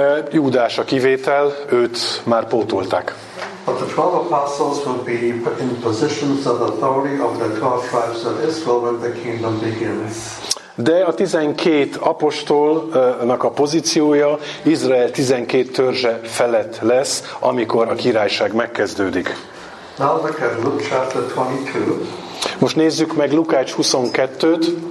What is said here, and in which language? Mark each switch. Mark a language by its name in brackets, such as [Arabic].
[Hungarian] Júdás a kivétel, őt már pótolták. [English] But the 12 apostles will be in positions of authority of the 12 tribes of Israel when the kingdom begins. [Hungarian] De a 12 apostolnak a pozíciója Izrael 12 törzse felett lesz, amikor a királyság megkezdődik. [English] Now look at Luke chapter 22. [Hungarian] Most nézzük meg Lukács 22-t.